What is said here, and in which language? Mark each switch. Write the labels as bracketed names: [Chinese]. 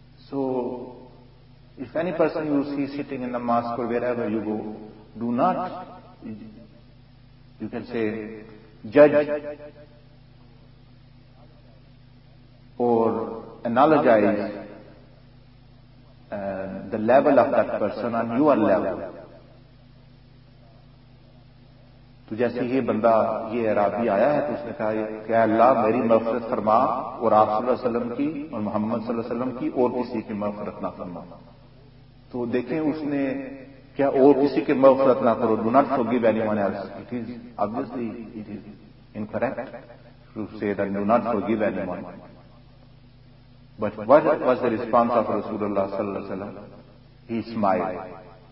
[English] So, if any person you see sitting in the mosque or wherever you go, do not, you can say, judge or analogize the level of that person on your level. [Urdu] تو جیسے یہ بندہ یہ عرابی آیا ہے تو اس نے کہا کہ اللہ میری مغفرت فرما اور آپ صلی اللہ علیہ وسلم کی اور محمد صلی اللہ علیہ وسلم کی اور کسی کی مغفرت نہ فرما. تو دیکھیں اس نے کیا اور کسی کی مغفرت نہ کرو. [English] Do not forgive anyone else. It is obviously it is incorrect to say that do not forgive anyone. But what was the response of Rasulullah صلی اللہ علیہ وسلم? He smiled.